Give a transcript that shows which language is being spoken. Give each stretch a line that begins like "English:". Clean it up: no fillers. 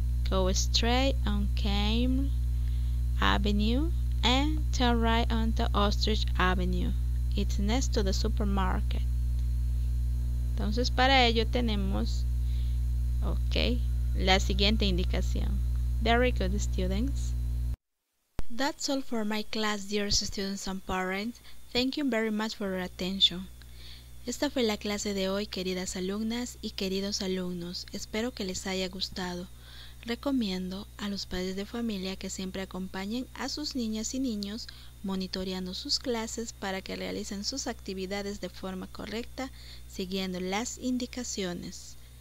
English: Go straight on Camel Avenue and turn right on the Ostrich Avenue. It's next to the supermarket.
Spanish: Entonces para ello tenemos, okay, la siguiente indicación.
English: Very good, students. That's all for my class, dear students and parents. Thank you very much for your attention.
Spanish: Esta fue la clase de hoy, queridas alumnas y queridos alumnos. Espero que les haya gustado. Recomiendo a los padres de familia que siempre acompañen a sus niñas y niños monitoreando sus clases para que realicen sus actividades de forma correcta, siguiendo las indicaciones.